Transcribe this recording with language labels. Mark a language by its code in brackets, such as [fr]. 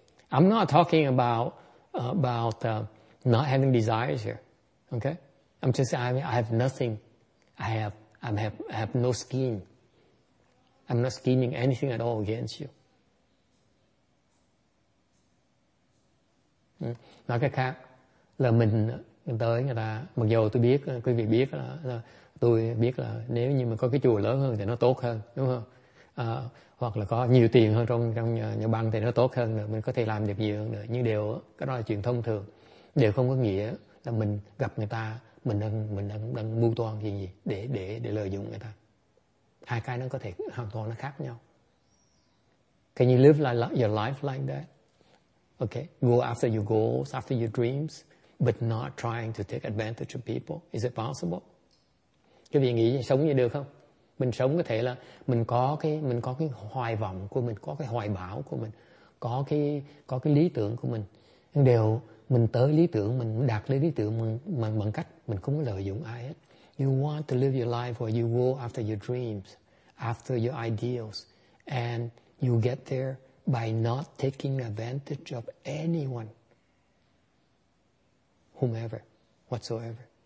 [en] I'm not talking about not having desires here. Okay? I'm just saying I have nothing. I have no scheme. I'm not scheming anything at all against you. [vi] Nói cái khác là mình tới người ta, mặc dù tôi biết, quý vị biết là tôi biết là nếu như mà có cái chùa lớn hơn thì nó tốt hơn, đúng không? Hoặc là có nhiều tiền hơn trong nhà băng thì nó tốt hơn, mình có thể làm được nhiều hơn nữa. Nhưng đều cái đó là chuyện thông thường, đều không có nghĩa là mình gặp người ta mình đang mưu toan gì để lợi dụng người ta. Hai cái nó có thể hoàn toàn nó khác nhau. [en] Can you live like your life like that? Okay, go after your goals, after your dreams, but not trying to take advantage of people. Is it possible? [vi] Cái vị nghĩ sống như được không? Mình sống có thể là mình có cái hoài vọng của mình, có cái hoài bão của mình, có cái lý tưởng của mình. Nhưng đều mình tới lý tưởng, mình đạt lấy lý tưởng bằng cách mình không có lợi dụng ai hết. [en] You want to live your life where you go after your dreams, after your ideals, and you get there by not taking advantage of anyone, whomever, whatsoever.